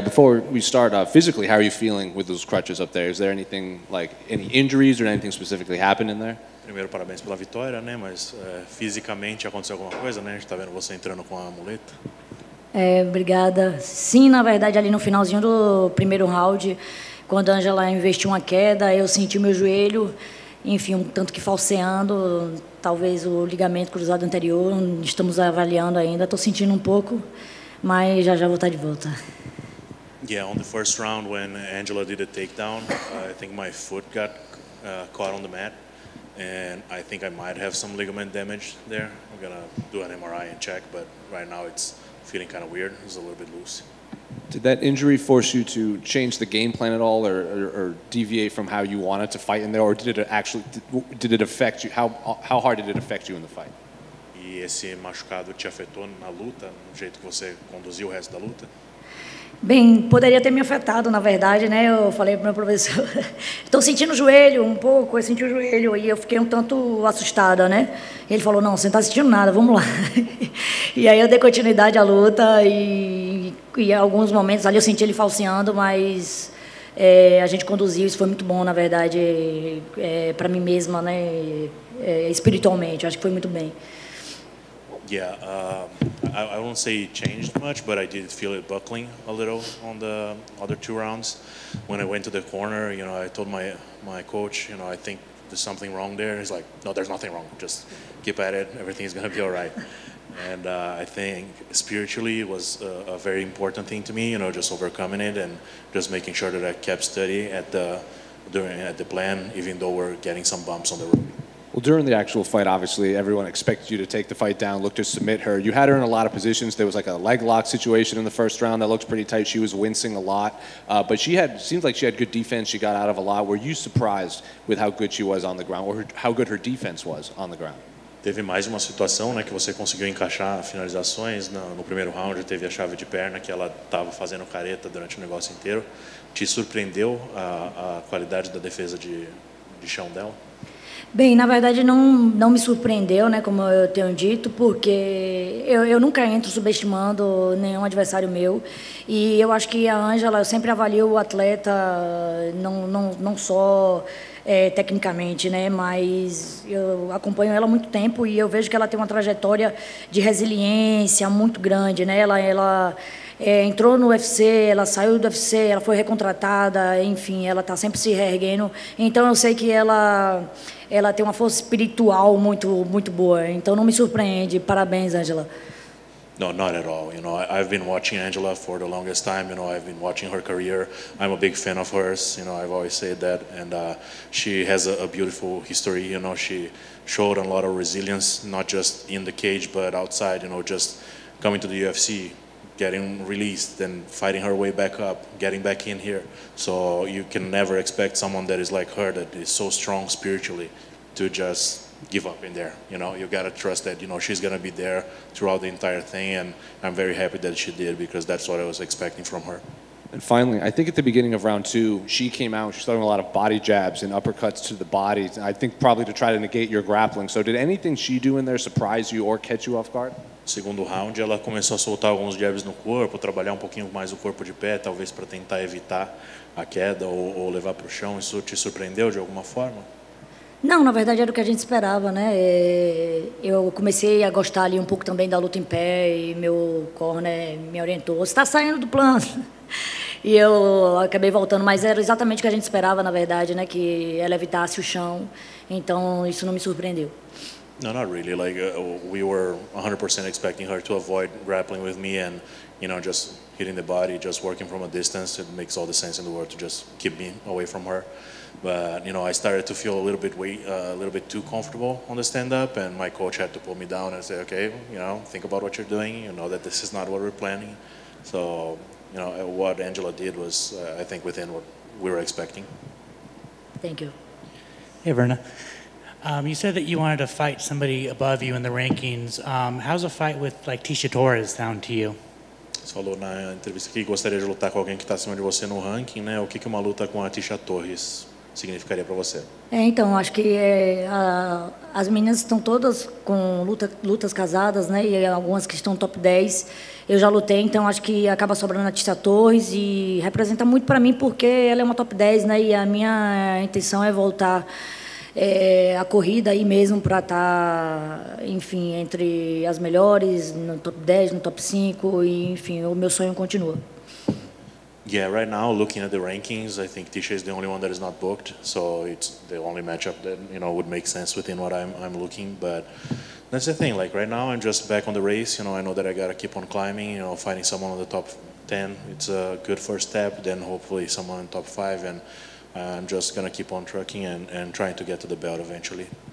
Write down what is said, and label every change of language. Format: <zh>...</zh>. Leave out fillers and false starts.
<en>Before we start, physically, how are you feeling with those crutches up there? Is there anything, like, any injuries or anything specifically happened in there?</en> <pt>Primeiro, parabéns pela vitória, né? Mas fisicamente aconteceu alguma coisa, né? A gente tá vendo você entrando com a muleta. Obrigada. Sim, na verdade, ali no finalzinho do primeiro round, quando a Angela investiu uma queda, eu senti meu joelho, enfim, um tanto que falseando, talvez o ligamento cruzado anterior, estamos avaliando ainda, estou sentindo um pouco, mas já já vou estar de volta.</pt> <en>Yeah, on the first round, when Angela did a takedown, I think my foot got caught on the mat, and I think I might have some ligament damage there. I'm gonna do an MRI and check, but right now it's feeling kind of weird, it's a little bit loose. Did that injury force you to change the game plan at all, or deviate from how you wanted to fight in there, or did it affect you? How hard did it affect you in the fight?</en> <pt>E esse machucado te afetou na luta, no jeito que você conduziu o resto da luta? Bem, poderia ter me afetado, na verdade, né? Eu falei pro meu professor, estou sentindo o joelho um pouco, eu senti o joelho e eu fiquei um tanto assustada, né? Ele falou, não, você não tá sentindo nada, vamos lá. E aí eu dei continuidade à luta e em alguns momentos ali eu senti ele falseando, mas a gente conduziu, isso foi muito bom, na verdade, para mim mesma, né? Espiritualmente, eu acho que foi muito bem.</pt> <en>Yeah, I won't say it changed much, but I did feel it buckling a little on the other two rounds. When I went to the corner, you know, I told my coach, you know, I think there's something wrong there. He's like, no, there's nothing wrong. Just keep at it. Everything's going to be all right. And I think spiritually it was a very important thing to me, you know, just overcoming it and just making sure that I kept steady at the plan, even though we're getting some bumps on the road. Well, during the actual fight, obviously, everyone expected you to take the fight down, look to submit her. You had her in a lot of positions. There was like a leg lock situation in the first round that looked pretty tight. She was wincing a lot, but she had, seems like she had good defense. She got out of a lot. Were you surprised with how good she was on the ground, or how good her defense was on the ground?</en> <pt>Teve mais uma situação, né, que você conseguiu encaixar finalizações no primeiro round. Teve a chave de perna que ela estava fazendo careta durante o negócio inteiro. Te surpreendeu a qualidade da defesa de chão dela? Bem, na verdade, não me surpreendeu, né, como eu tenho dito, porque eu nunca entro subestimando nenhum adversário meu. E eu acho que a Angela, eu sempre avalio o atleta, não só tecnicamente, né, mas eu acompanho ela há muito tempo e eu vejo que ela tem uma trajetória de resiliência muito grande, né? Ela entrou no UFC, ela saiu do UFC, ela foi recontratada, enfim, ela está sempre se reerguendo. Então, eu sei que ela tem uma força espiritual muito muito boa. Então, não me surpreende. Parabéns, Angela.</pt> <en>No, not at all. You know, I've been watching Angela for the longest time. You know, I've been watching her career. I'm a big fan of hers. You know, I've always said that. And she has a beautiful history. You know, she showed a lot of resilience, not just in the cage, but outside. You know, just coming to the UFC, getting released, then fighting her way back up, getting back in here. So you can never expect someone that is like her, that is so strong spiritually, to just give up in there. You know, you gotta trust that, you know, she's gonna be there throughout the entire thing, and I'm very happy that she did, because that's what I was expecting from her. And finally, I think at the beginning of round two, she came out, she's throwing a lot of body jabs and uppercuts to the body, I think probably to try to negate your grappling. So did anything she do in there surprise you or catch you off guard?</en> <pt>Segundo round, ela começou a soltar alguns jabs no corpo, trabalhar um pouquinho mais o corpo de pé, talvez para tentar evitar a queda ou levar para o chão. Isso te surpreendeu de alguma forma? Não, na verdade era o que a gente esperava, né? Eu comecei a gostar ali um pouco também da luta em pé e meu corner me orientou. Você está saindo do plano. E eu acabei voltando, mas era exatamente o que a gente esperava, na verdade, né? Que ela evitasse o chão. Então isso não me surpreendeu.</pt> <en>No, not really. Like, we were 100% expecting her to avoid grappling with me and, you know, just hitting the body, just working from a distance. It makes all the sense in the world to just keep me away from her. But, you know, I started to feel a little bit too comfortable on the stand-up, and my coach had to pull me down and say, okay, you know, think about what you're doing. You know that this is not what we're planning. So, you know, what Angela did was, I think, within what we were expecting. Thank you. Hey, Virna. You said that you wanted to fight somebody above you in the rankings. How's a fight with like Tecia Torres sound to you?</en> <pt>Você falou na entrevista que gostaria de lutar com alguém que está acima de você no ranking, né? O que é uma luta com a Tecia Torres? significaria para você? É, então, acho que as meninas estão todas com lutas casadas, né? E algumas que estão top 10. Eu já lutei, então acho que acaba sobrando a Tecia Torres e representa muito para mim porque ela é uma top 10, né? E a minha intenção é voltar a corrida aí mesmo para estar, enfim, entre as melhores, no top 10, no top 5, e, enfim, o meu sonho continua.</pt> <en>Yeah, right now, looking at the rankings, I think Tecia is the only one that is not booked, so it's the only matchup that, you know, would make sense within what I'm looking, but that's the thing, like, right now, I'm just back on the race, you know, I know that I gotta keep on climbing, you know, finding someone on the top 10, it's a good first step, then hopefully someone in top 5, and I'm just gonna keep on trucking and trying to get to the belt eventually.</en>